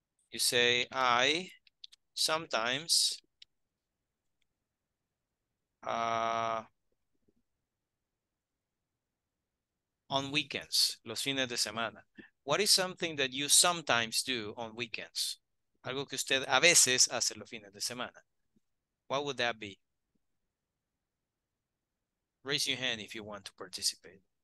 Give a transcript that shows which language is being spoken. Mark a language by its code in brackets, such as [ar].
[en] You say, I sometimes on weekends, [es] los fines de semana. [en] What is something that you sometimes do on weekends? [es] Algo que usted a veces hace los fines de semana. [en] What would that be? Raise your hand if you want to participate.